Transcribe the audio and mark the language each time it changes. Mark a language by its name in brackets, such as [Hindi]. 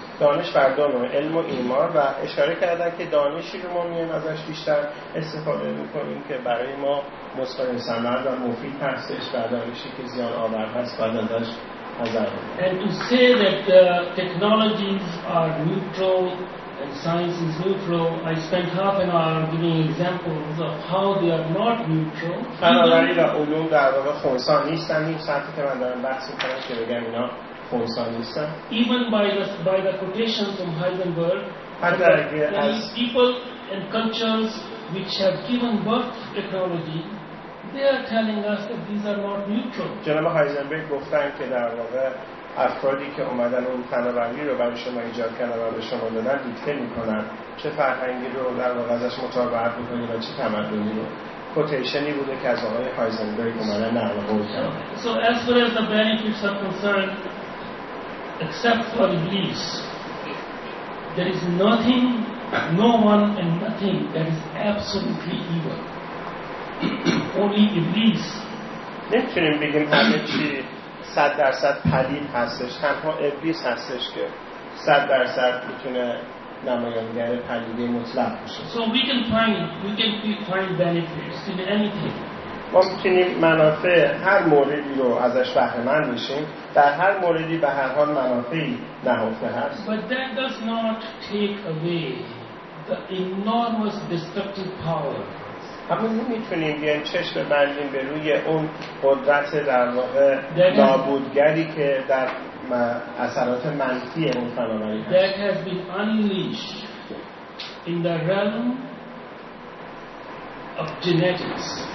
[Persian] دانش بر دو نوع، علم و ایمان. و اشاره کردن که دانشی رو ما میایم ازش بیشتر استفاده میکنیم که برای ما مصدر ثمر و مفید هستش، و دانشی که زیان آور هست بعد ازش حذر کنیم. [English] And to say that the technologies are neutral and science is neutral, I spent half an hour giving examples of how they are not neutral. [Persian] فناوری و علوم در واقع خونسا نیستن. این ساعتی که من دارم بحث میکنم که بگم اینا [English] even by the quotation from Heisenberg, people and cultures which have given birth to technology, they are telling us that these are not neutral. [Persian] جناب هایزنبرگ گفتن که در واقع افرادی که اومدن اون فناوری رو برای شما ایجاد کردن و به شما دادن، دیکته میکنن چه فرهنگی رو در واقع ازش مطابقت بکنید و چه تمدنی رو. کوتیشنی بوده که از آقای هایزنبرگ اومدن نقل قول کردن. [English] So as far as the benefits are concerned, except for Iblis, there is nothing, no one and nothing that is absolutely evil. Only Iblis. [Persian] نمیتونیم بگیم همه چی 100% پلید هستش. تنها ابلیس هستش که 100% میتونه نمایانگر پلیدی مطلق باشه. [English] So we can find benefits in anything. [Persian] ما میتونیم منافع هر موردی رو ازش بهره‌مند بشیم. در هر موردی به هر حال منافعی نهفته هست. [English] But that does not take away the enormous destructive power. [Persian] اما نمیتونیم بیان چشم بندیم به روی اون قدرت در واقع نابودگری که در اثرات منفی اون فناوری هست. [English] That has been unleashed in the realm of genetics.